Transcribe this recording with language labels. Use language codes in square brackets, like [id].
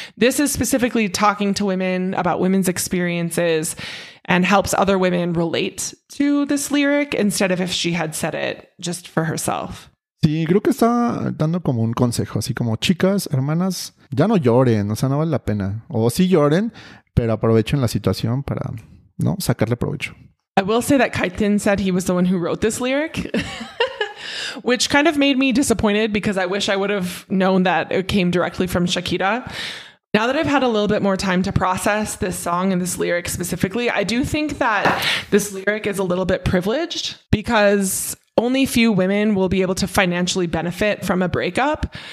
[en] This is specifically talking to women about women's experiences and helps other women relate to this lyric instead of if she had said it just for herself. [es] Sí, creo que está dando como un consejo, así como, chicas, hermanas, ya no lloren, o sea, no vale la pena. O sí lloren, pero aprovechen la situación para, ¿no?, sacarle provecho. [en] I will say that Kaitin said he was the one who wrote this lyric, which kind of made me disappointed because I wish I would have known that it came directly from Shakira. Now that I've had a little bit more time to process this song and this lyric specifically, I do think that this lyric is a little bit privileged because only few women will be able to financially benefit from a breakup.